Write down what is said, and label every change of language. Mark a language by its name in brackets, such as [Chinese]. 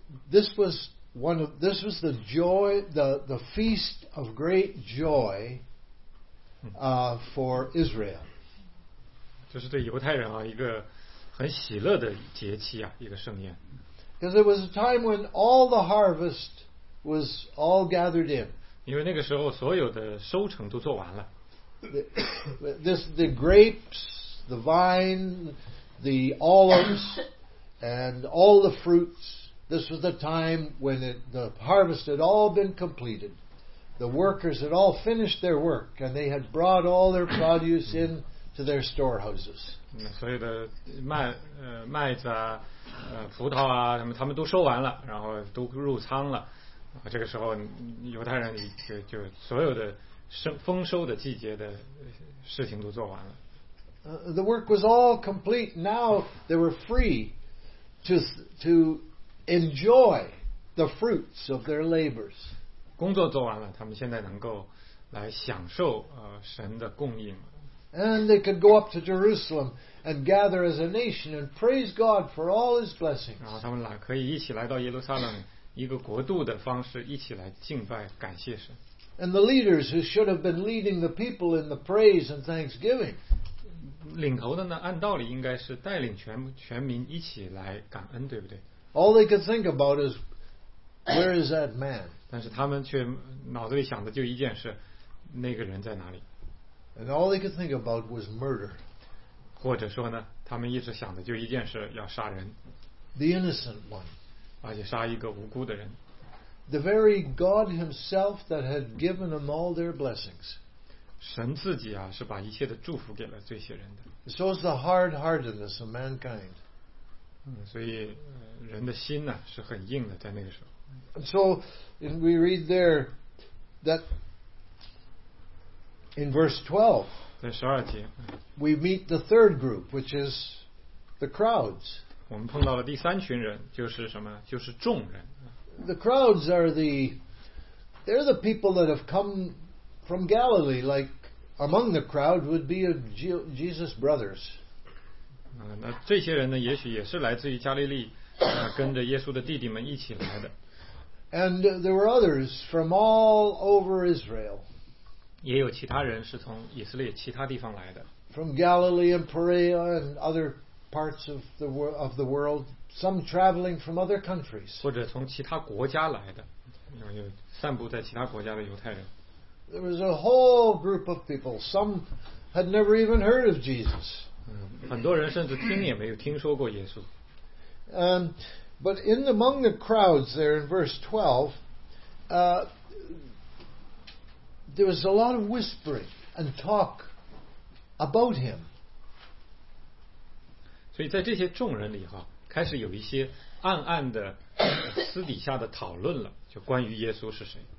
[English] This was the joy, the feast of great joy, for Israel. [Chinese] 这是对犹太人啊一个很喜乐的节期啊一个盛宴。 [English] Because it was a time when all the harvest was all gathered in. [Chinese] 因为那个时候所有的收成都做完了。 [English] The grapes, the vine, the olives, and all the fruits. This was the time when the harvest had all been completed. The workers had all finished their work, and they had brought all their produce in to their storehouses. [Chinese] 所有的麦子啊，葡萄啊，什么他们都收完了，然后都入仓了。这个时候犹太人就所有的丰收的季节的事情都做完了。 [English] The work was all complete. Now they were free to enjoy the fruits of their labors. [Chinese] 工作做完了，他们现在能够来享受神的供应。 [English] And they could go up to Jerusalem and gather as a nation and praise God for all his blessings. [Chinese] 然后他们俩可以一起来到耶路撒冷。一个国度的方式一起来敬拜感谢神。 [English] And the leaders who should have been leading the people in the praise and thanksgiving. [Chinese] 领头的呢，按道理应该是带领全民一起来感恩，对不对 [English] ？All they could think about is where is that man? [Chinese] 但是他们却脑子里想的就一件事，那个人在哪里 [English] ？And all they could think about was murder. [Chinese] 或者说呢，他们一直想的就一件事，要杀人。 [English] The innocent one. [Chinese] 而且杀一个无辜的人。 [English] The very God Himself that had given them all their blessings. [Chinese] 神自己啊，是把一切的祝福给了这些人的。 [English] So is the hard-heartedness of mankind. [Chinese] 所以人的心呢是很硬的，在那个时候。 [English] So we read there that in verse 12. [Chinese] 在十二节。 [English] We meet the third group, which is the crowds. [Chinese] 我们碰到了第三群人，就是什么？就是众人。 [English] The crowds are they're the people that have come from Galilee. Like among the crowd would be Jesus' brothers. [Chinese] 那这些人呢，也许也是来自于加利利，跟着耶稣的弟弟们一起来的。 [English] And there were others from all over Israel. [Chinese] 也有其他人是从以色列其他地方来的。 [English] From Galilee and Perea and other parts of the world, some traveling from other countries. [Chinese] 或者从其他国家来的，有散布在其他国家的犹太人。 [English] There was a whole group of people. Some had never even heard of Jesus. [Chinese] 很多人甚至听也没有听说过耶稣。 [English] But in among the crowds there in verse 12, there was a lot of whispering and talk about him. [Chinese] 所以在这些众人里哈，开始有一些暗暗的私底下的讨论了，就关于耶稣是谁。